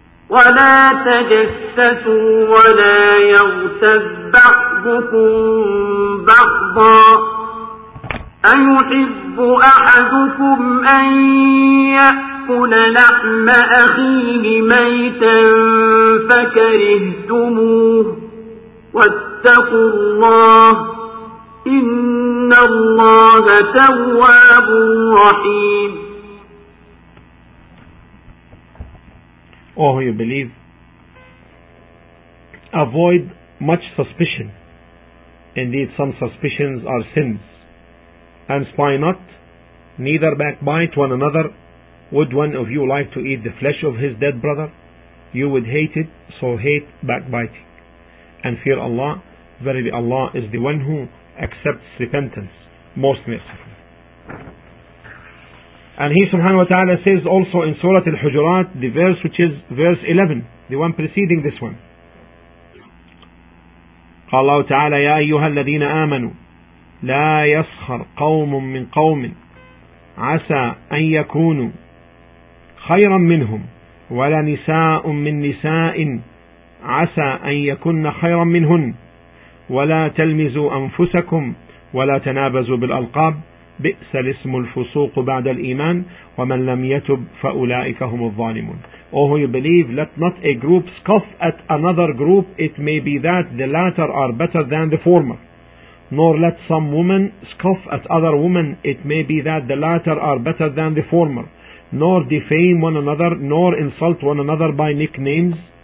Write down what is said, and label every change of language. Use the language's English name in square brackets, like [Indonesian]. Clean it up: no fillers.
[Arabic] ولا تجسسوا ولا يغتب بعضكم بعضا أيحب أحدكم أن يأكل لحم أخيه ميتا فكرهتموه واتقوا الله إن الله تواب رحيم. [English] Oh, you believe, avoid much suspicion. Indeed, some suspicions are sins. And spy not, neither backbite one another. Would one of you like to eat the flesh of his dead brother? You would hate it, so hate backbiting. And fear Allah, verily Allah is the one who accepts repentance, most merciful. And he subhanahu wa ta'ala says also in Surah Al-Hujurat, the verse which is verse 11, the one preceding this one. [Arabic] قال الله تعالى يا أيها الذين آمنوا لا يسخر قوم من قوم عسى أن يكونوا خيرا منهم ولا نساء من نساء عسى أن يكون خيرا منهن ولا تلمزوا أنفسكم ولا تنابزوا بالألقاب بئس الاسم الفسوق بعد الإيمان ومن لم يتب فأولئك هم الظالمون. [English] Oh, you believe, let not a group scoff at another group. It may be that the latter are better than the former. Nor let some woman scoff at other women. It may be that the latter are better than the former. Nor defame one another, nor insult one another by nicknames.